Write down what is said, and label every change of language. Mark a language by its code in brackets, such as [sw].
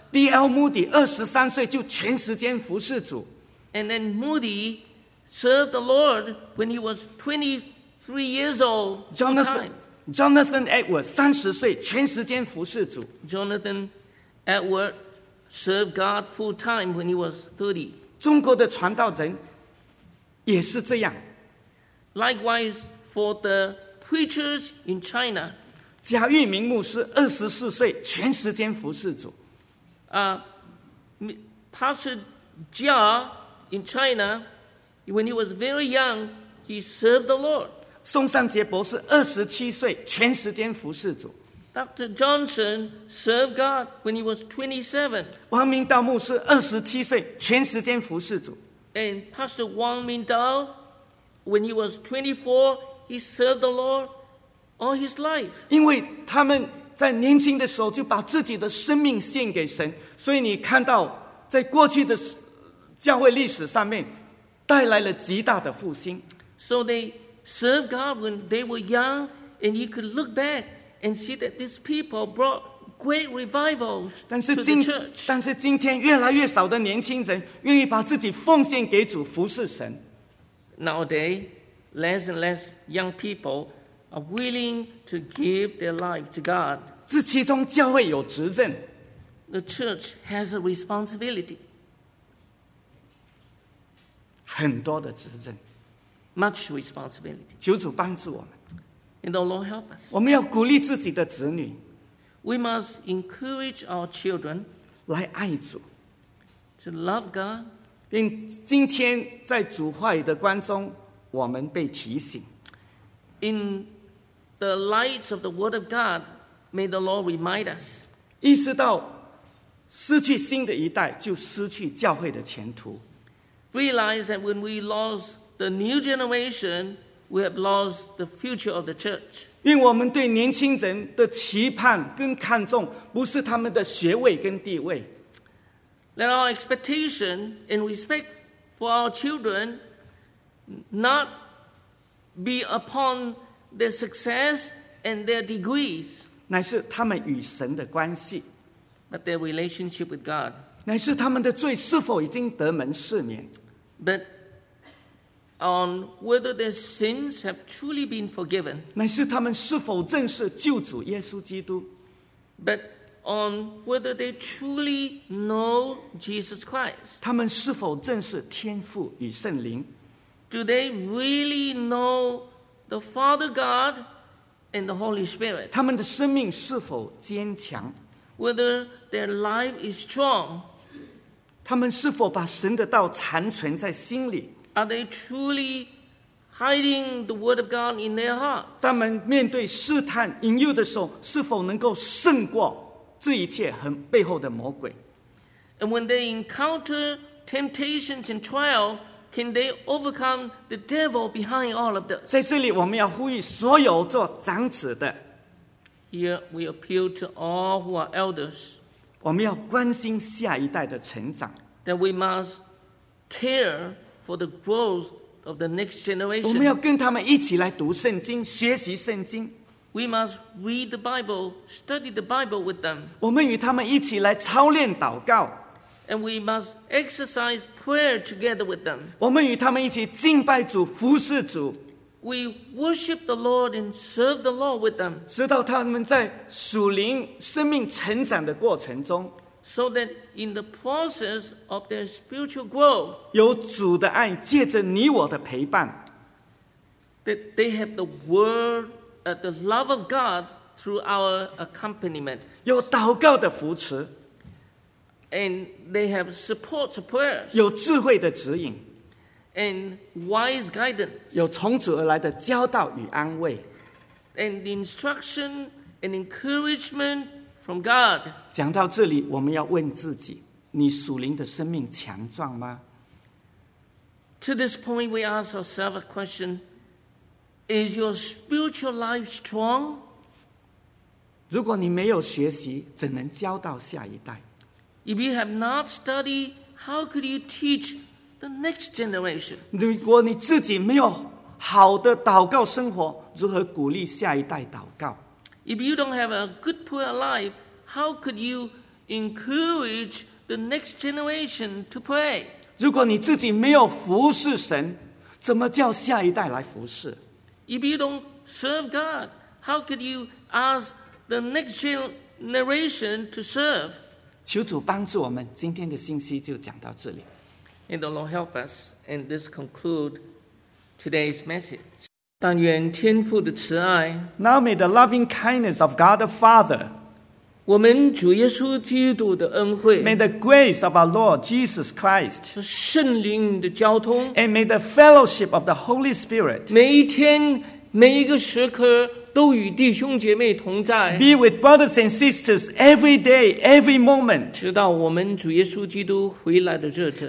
[zh] D.L. Moody, 23岁就全时间服侍主。 [en] And then Moody served the Lord when he was 23 years old. [zh] Jonathan Edwards, 30岁全时间服侍主。 [en] Jonathan Edwards served God full time when he was 30. [zh] 中国的传道人也是这样。 [en] Likewise for the preachers in China. [zh] 贾玉明牧师24岁全时间服侍主。 [en] Pastor Jia in China, when he was very young, he served the Lord. [zh] 宋尚杰博士27岁全时间服侍主。 [en] Dr. Johnson served God when he was 27. [zh] 王明道牧师27岁全时间服侍主。 [en] And Pastor Wang Mingdao, when he was 24, he served the Lord. All his life. [zh] 因为他们在年轻的时候就把自己的生命献给神，所以你看到在过去的教会历史上面带来了极大的复兴。 [en] So they served God when they were young, and you could look back and see that these people brought great revivals to the church. [zh] 但是今天越来越少的年轻人愿意把自己奉献给主服侍神。 [en] Nowadays, less and less young peopleAre willing to give their life to God. [zh] 这其中教会有责任。 [en] The church has a responsibility. [zh] 很多的责任 [en] ，much responsibility。 [zh] 求主帮助我们 [en] ，and the Lord help us。 [zh] 我们要鼓励自己的子女 [en] ，we must encourage our children， [zh] 来爱主 [en] ，to love God。 [zh] 并今天在主话语的光中，我们被提醒 [en] ，in the light of the word of God， may the Lord remind us。 [zh] 意识到失去新的一代，就失去教会的前途。 [en] Realize that when we lost the new generation, we have lost the future of the church. [zh] 因为我们对年轻人的期盼跟看重，不是他们的学位跟地位。 [en] That our expectation and respect for our children not be upon their success and their degrees. [zh] 乃是他们与神的关系。 [en] But their relationship with God. [zh] 乃是他们的罪是否已经得蒙赦免。 [en] But on whether their sins have truly been forgiven, [zh] 乃是他们是否认识救主耶稣基督。 [en] But on whether they truly know Jesus Christ, [zh] 他们是否认识天父与圣灵。 [en] Do they really know the Father God and the Holy Spirit? [zh] 他们的生命是否坚强。 [en] Whether their life is strong, [zh] 他们是否把神的道残存在心里 [en] ？Are they truly hiding the word of God in their hearts？ [zh] 他们面对试探引诱的时候，是否能够胜过这一切和背后的魔鬼 [en] ？And when they encounter temptations and trial, can they overcome the devil behind all of this？ [zh] 在这里，我们要呼吁所有做长子的。 [en] Here we appeal to all who are elders。 [zh] 我们要关心下一代的成长。 [en] That we must care for the growth of the next generation. [zh] 我们要跟他们一起来读圣经，学习圣经。 [en] We must read the Bible, study the Bible with them. [zh] 我们与他们一起来操练祷告。 [en] And we must exercise prayer together with them. [zh] 我们与他们一起敬拜主，服侍主。 [en] We worship the Lord and serve the Lord with them. [zh] 直到他们在属灵生命成长的过程中 [en] ，so that in the process of their spiritual growth, [zh] 有主的爱借着你我的陪伴 [en] ，that they have the word, the love of God through our accompaniment. [zh] 有祷告的扶持 [en] ，and they have support to prayers. [zh] 有智慧的指引。 [en] And wise guidance, [zh] 有从主而来的教导与安慰 [en] ，and instruction and encouragement from God. [zh] 讲到这里，我们要问自己：你属灵的生命强壮吗 [en] ？To this point, we ask ourselves a question: Is your spiritual life strong? [zh] 如果你没有学习，怎能教导下一代 [en] ？If you have not studied, how could you teach? The next generation. [zh] 如果你自己没有好的祷告生活，如何鼓励下一代祷告 [en] ？If you don't have a good prayer life, how could you encourage the next generation to pray? [zh] 如果你自己没有服侍神，怎么叫下一代来服侍 [en] ？If you don't serve God, how could you ask the next generation to serve? [zh] 求主帮助我们，今天的信息就讲到这里。 [en] May the Lord help us, and this conclude today's message. [zh] 但愿天父的慈爱 [en] Now may the loving kindness of God the Father, [zh] 我们主耶稣基督的恩惠 [en] May the grace of our Lord Jesus Christ, [zh] 圣灵的交通 [en] And may the fellowship of the Holy Spirit, [zh] 每一天每一个时刻都与弟兄姐妹同在 [en] Be with brothers and sisters every day, every moment [zh] 直到我们主耶稣基督回来的日子